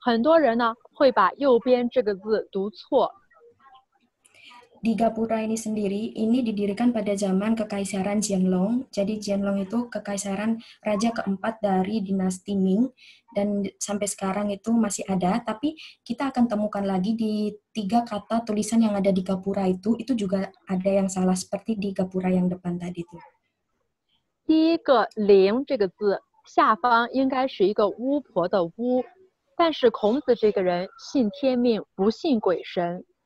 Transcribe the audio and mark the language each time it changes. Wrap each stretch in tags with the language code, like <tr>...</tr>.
<zh>这个牌坊是乾隆爷留下的，很多人呢会把右边这个字读错。</zh> <id>Di gapura ini sendiri ini didirikan pada zaman kekaisaran Qianlong. Jadi Qianlong itu kekaisaran raja keempat dari dinasti Ming dan sampai sekarang itu masih ada, tapi kita akan temukan lagi di tiga kata tulisan yang ada di gapura itu juga ada yang salah seperti di gapura yang depan tadi itu.</id> <zh>第一个灵这个字下方应该是一个巫婆的巫，但是孔子这个人信天命，不信鬼神。</zh>